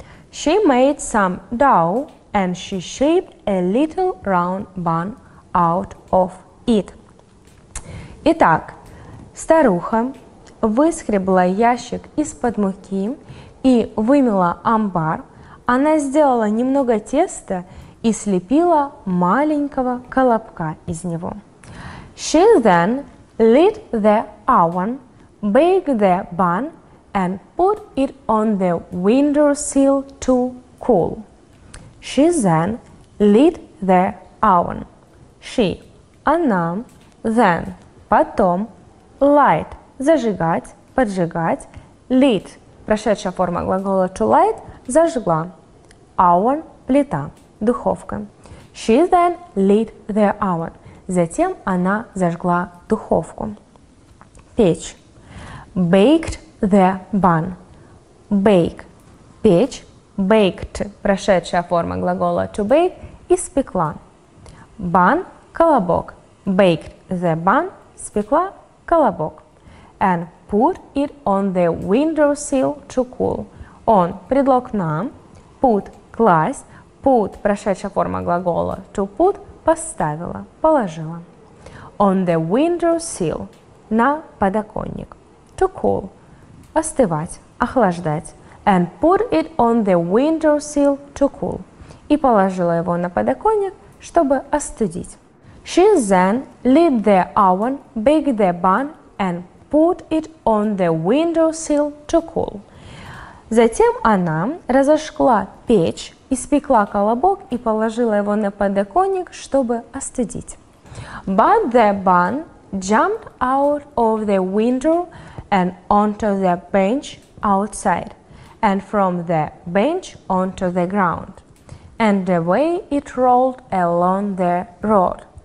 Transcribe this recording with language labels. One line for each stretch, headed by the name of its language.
English: She made some dough and she shaped a little round bun out of it.
Russian: Итак, старуха выскребла ящик из-под муки и вымела амбар. Она сделала немного теста и слепила маленького колобка из него.
English: She then lit the oven, baked the bun, and put it on the windowsill to cool. She then lit the oven. She,
Russian: она,
English: then,
Russian: потом,
English: light,
Russian: зажигать, поджигать,
English: lit,
Russian: прошедшая форма глагола
English: to light,
Russian: зажгла,
English: oven,
Russian: плита, духовка.
English: She then lit the oven.
Russian: Затем она зажгла духовку. Печь.
English: Baked the bun. Bake. Печь. Baked.
Russian: Прошедшая форма глагола
English: to bake.
Russian: Испекла. Bun. Колобок.
English: Baked the bun.
Russian: Спекла колобок.
English: And put it on the windowsill to cool. On.
Russian: Предлог на.
English: Put.
Russian: Класть. Put. Прошедшая форма глагола
English: to put.
Russian: Поставила, положила.
English: On the windowsill,
Russian: на подоконник.
English: To cool,
Russian: остывать, охлаждать.
English: and put it on the windowsill to cool.
Russian: И положила его на подоконник, чтобы остудить.
English: She then lit the oven, baked the bun and put it on the windowsill to cool.
Russian: Затем она разожгла печь, испекла колобок и положила его на подоконник, чтобы остудить.
English: But the bun jumped out of the window and onto the bench outside, and from the bench onto the ground, and away it rolled along the road.